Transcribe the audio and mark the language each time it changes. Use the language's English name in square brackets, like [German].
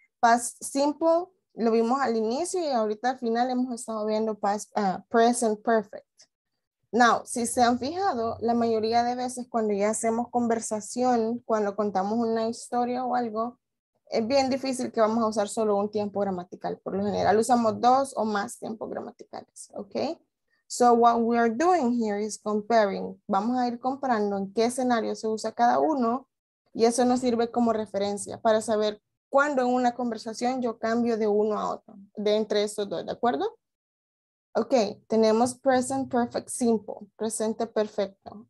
[Spanish] Past simple lo vimos al inicio y ahorita al final hemos estado viendo present perfect. Now, si se han fijado, la mayoría de veces cuando ya hacemos conversación, cuando contamos una historia o algo, es bien difícil que vamos a usar solo un tiempo gramatical. Por lo general usamos dos o más tiempos gramaticales, ¿ok? [English] So what we are doing here is comparing. [Spanish] Vamos a ir comparando en qué escenario se usa cada uno y eso nos sirve como referencia para saber cuándo en una conversación yo cambio de uno a otro, de entre estos dos, ¿de acuerdo? Ok, tenemos present perfect simple, presente perfecto.